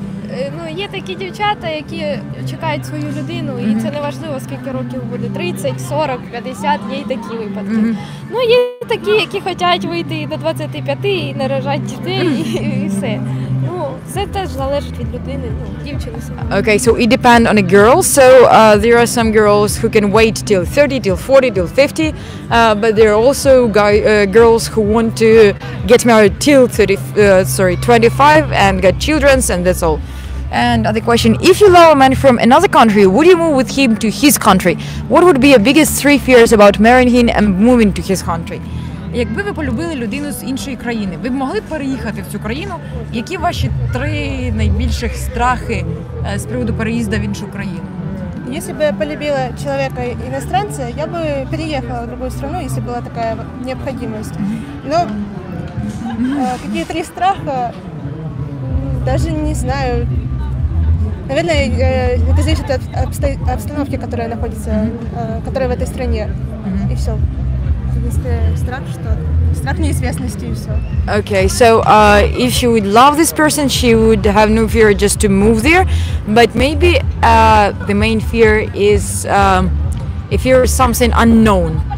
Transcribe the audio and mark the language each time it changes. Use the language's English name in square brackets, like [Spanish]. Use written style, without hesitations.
[Ukrainian] Ну, є такі дівчата, які чекають свою людину, і це не важливо, скільки років буде, 30, 40, 50, є й такі випадки. Mm-hmm. Ну, є такі, які хочуть вийти до 25 і народжати дітей, і все. Ну, це теж залежить від людини, ну, дівчини саме. [English] Okay, so it depends on a girl. So, there are some girls who can wait till 30, till 40, till 50, but there are also girls who want to get married till 25 and get children, and that's all. And other question, if you love a man from another country, would you move with him to his country? What would be your biggest three fears about marrying him and moving to his country? [Ukrainian] Якби ви полюбили людину з іншої країни, ви б могли переїхати в цю країну? Які ваші три найбільших страхи з приводу переїзду в іншу країну? [Russian] Если бы я полюбила человека иностранца, я бы переехала в другую страну, если была такая необходимость. Но какие три страха? Даже не знаю. Наверное, это зависит от обстановки, которая находится, которая в этой стране, и все. Страх, что страх неизвестности, и все. [English] Okay, so if she would love this person, she would have no fear just to move there, but maybe the main fear is if you're something unknown.